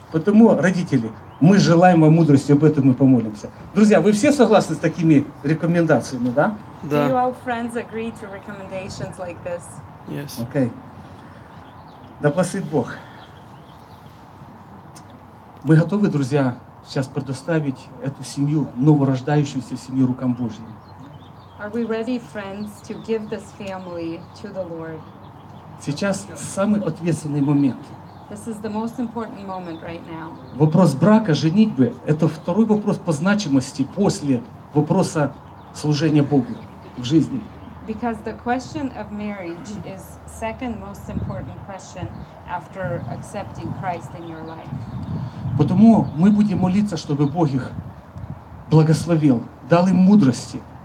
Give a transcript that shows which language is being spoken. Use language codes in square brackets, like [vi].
[ru] Потому, родители, мы желаем вам мудрости, об этом мы помолимся. Друзья, вы все согласны с такими рекомендациями, да? Да. [en] Do you all friends agree to recommendations like this? Yes. [ru] Okay. Да благословит Бог. Мы готовы, друзья, сейчас предоставить эту семью, новорождающуюся семью, рукам Божьим. [en] Are we ready, friends, to give this family to the Lord? [ru] Сейчас самый ответственный момент. [en] This is the most important moment right now. [ru] Вопрос брака, женитьбы – это второй вопрос по значимости после вопроса служения Богу в жизни. [en] Because the question of marriage is second most important question after accepting Christ in your life. [ru] Потому мы будем молиться, чтобы Бог их благословил, дал им мудрости.